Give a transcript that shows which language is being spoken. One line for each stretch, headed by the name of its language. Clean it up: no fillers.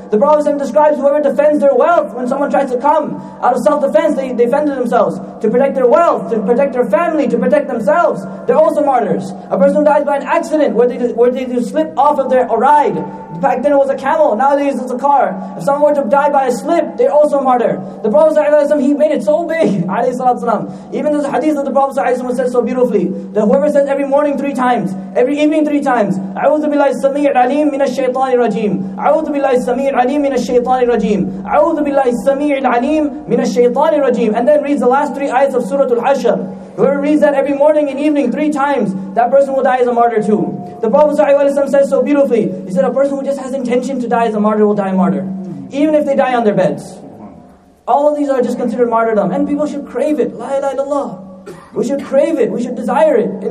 English: The Prophet ﷺ describes whoever defends their wealth when someone tries to come out of self-defense, they defended themselves to protect their wealth, to protect their family, to protect themselves. They're also martyrs. A person who dies by an accident where they slip off of a ride. Back then it was a camel, nowadays it's a car. If someone were to die by a slip, they're also a martyr. The Prophet ﷺ, he made it so big. Even the hadith of the Prophet was said so beautifully, that whoever says every morning 3 times,
Arabic: every evening 3 times, أَعُوذُ بِاللَّهِ السَّمِيعِ الْعَلِيمِ مِنَ الشَّيْطَانِ الرَّجِيمِ أَعُوذُ بِاللَّهِ السَّمِيعِ الْعَلِيمِ مِنَ الشَّيْطَانِ الرَّجِيمِ أَعُوذُ بِاللَّهِ السَّمِيعِ الْعَلِيمِ مِنَ الشَّيْطَانِ الرَّجِيمِ.
English: And then reads the last 3 ayats of Surah Al-Hashr. Whoever reads that every morning and evening 3 times, that person will die as a martyr too. The Prophet says so beautifully, he said a person who just has intention to die as a martyr will die a martyr. Even if they die on their beds. All of these are just considered martyrdom. And people should crave it. La ilaha illallah. We should crave it. We should desire it.